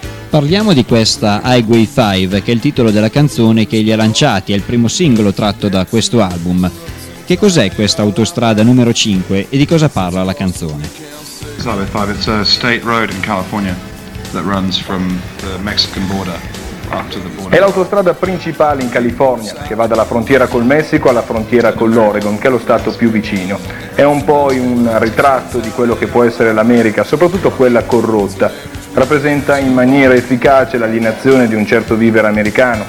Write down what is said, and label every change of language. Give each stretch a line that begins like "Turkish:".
Italian: Parliamo di questa Highway 5, che è il titolo della canzone che gli ha lanciati, è il primo singolo tratto da questo album. Che cos'è questa autostrada numero 5 e di cosa parla la canzone?
English: It's Highway 5, it's a state road in California that runs from the Mexican border.
Italian: È l'autostrada principale in California, che va dalla frontiera col Messico alla frontiera con l'Oregon, che è lo stato più vicino. È un po' un ritratto di quello che può essere l'America, soprattutto quella corrotta. Rappresenta in maniera efficace l'alienazione di un certo vivere americano.